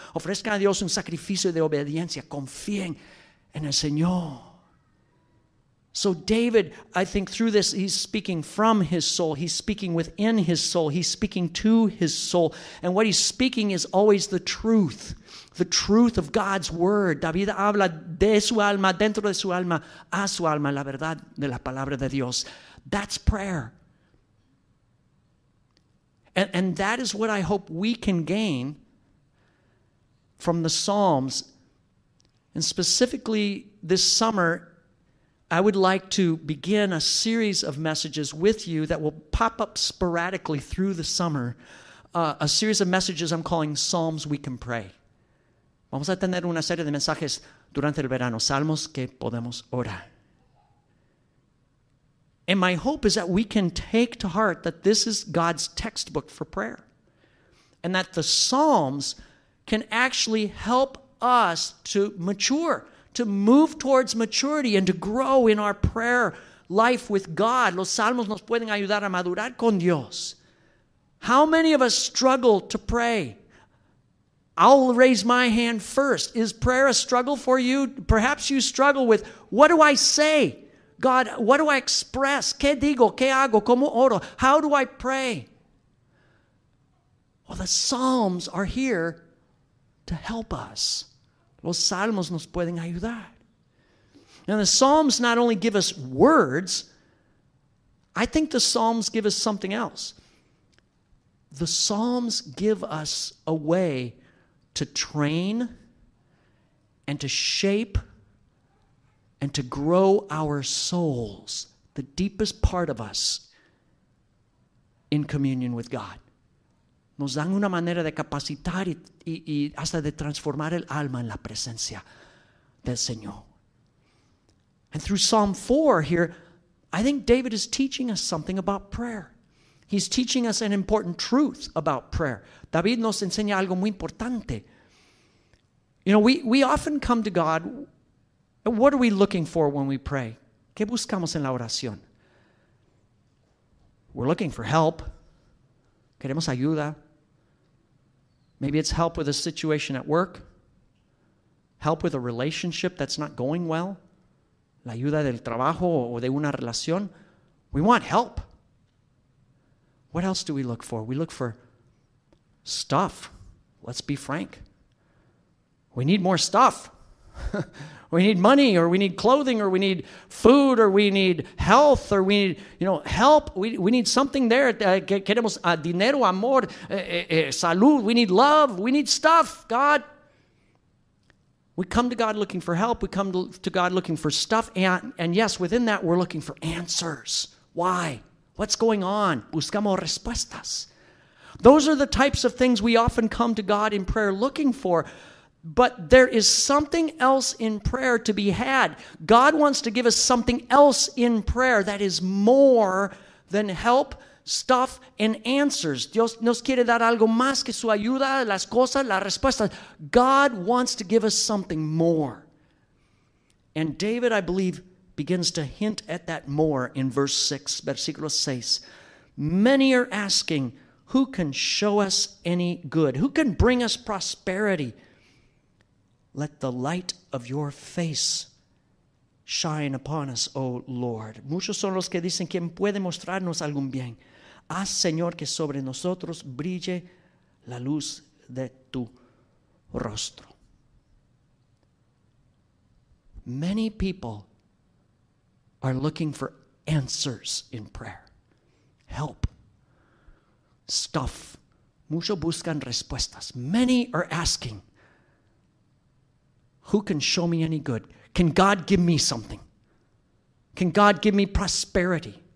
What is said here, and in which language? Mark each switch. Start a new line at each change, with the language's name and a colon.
Spanish: Ofrezca a Dios un sacrificio de obediencia. Confíen en el Señor.
English: So David, I think through this, he's speaking from his soul. He's speaking within his soul. He's speaking to his soul. And what he's speaking is always the truth. The truth of God's word.
Spanish: David habla de su alma, dentro de su alma, a su alma, la verdad de la palabra de Dios.
English: That's prayer. And that is what I hope we can gain from the Psalms. And specifically this summer, I would like to begin a series of messages with you that will pop up sporadically through the summer. A series of messages I'm calling Psalms We Can Pray.
Spanish: Vamos a tener una serie de mensajes durante el verano, Salmos que podemos orar.
English: And my hope is that we can take to heart that this is God's textbook for prayer. And that the Psalms can actually help us to mature, to move towards maturity and to grow in our prayer life with God.
Spanish: Los Salmos nos pueden ayudar a madurar con Dios.
English: How many of us struggle to pray? I'll raise my hand first. Is prayer a struggle for you? Perhaps you struggle with, what do I say? God, what do I express?
Spanish: ¿Qué digo? ¿Qué hago? ¿Cómo oro?
English: How do I pray? Well, the Psalms are here to help us.
Spanish: Los Salmos nos pueden ayudar.
English: Now, the Psalms not only give us words, I think the Psalms give us something else. The Psalms give us a way to train and to shape and to grow our souls, the deepest part of us, in communion with God.
Spanish: Nos dan una manera de capacitar y hasta de transformar el alma en la presencia del Señor.
English: And through Psalm 4 here, I think David is teaching us something about prayer. He's teaching us an important truth about prayer.
Spanish: David nos enseña algo muy importante.
English: You know, we often come to God. What are we looking for when we pray?
Spanish: ¿Qué buscamos en la oración?
English: We're looking for help.
Spanish: Queremos ayuda.
English: Maybe it's help with a situation at work. Help with a relationship that's not going well.
Spanish: La ayuda del trabajo o de una relación.
English: We want help. What else do we look for? We look for stuff. Let's be frank. We need more stuff. We need money, or we need clothing, or we need food, or we need health, or we need, you know, help. We need something there.
Spanish: Queremos dinero, amor, salud.
English: We need love. We need stuff, God. We come to God looking for help. We come to God looking for stuff. And yes, within that, we're looking for answers. Why? What's going on?
Spanish: Buscamos respuestas.
English: Those are the types of things we often come to God in prayer looking for. But there is something else in prayer to be had. God wants to give us something else in prayer that is more than help, stuff, and answers.
Spanish: Dios nos quiere dar algo más que su ayuda, las cosas, las respuestas.
English: God wants to give us something more. And David, I believe, begins to hint at that more in verse 6,
Spanish: versículo 6.
English: Many are asking, who can show us any good? Who can bring us prosperity? Let the light of your face shine upon us, O Lord.
Spanish: Muchos son los que dicen, ¿quién puede mostrarnos algún bien? Haz, Señor, que sobre nosotros brille la luz de tu rostro.
English: Many people are looking for answers in prayer. Help. Stuff.
Spanish: Muchos buscan respuestas.
English: Many are asking. Who can show me any good? Can God give me something? Can God give me prosperity?